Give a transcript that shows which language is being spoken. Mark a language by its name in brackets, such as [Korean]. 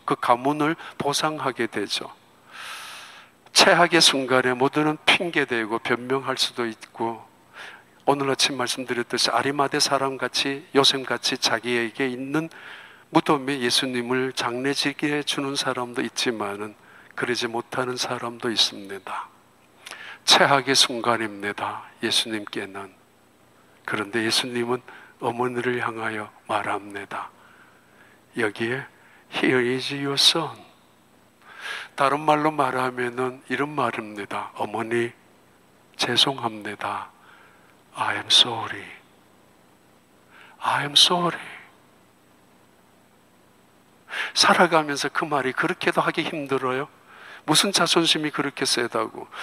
[Korean] 그 가문을 보상하게 되죠. 최악의 순간에 모두는 핑계대고 변명할 수도 있고, 오늘 아침 말씀드렸듯이 아리마대 사람같이 요셉같이 자기에게 있는 무덤에 예수님을 장례지게 해주는 사람도 있지만은 그러지 못하는 사람도 있습니다. 최악의 순간입니다. 예수님께는. 그런데 예수님은 어머니를 향하여 말합니다. 여기에 [English] Here is your son. [Korean] 다른 말로 말하면 이런 말입니다. 어머니, 죄송합니다. [English] I am sorry. I am sorry. [Korean] 살아가면서 그 말이 그렇게도 하기 힘들어요? 무슨 자존심이 그렇게 세다고?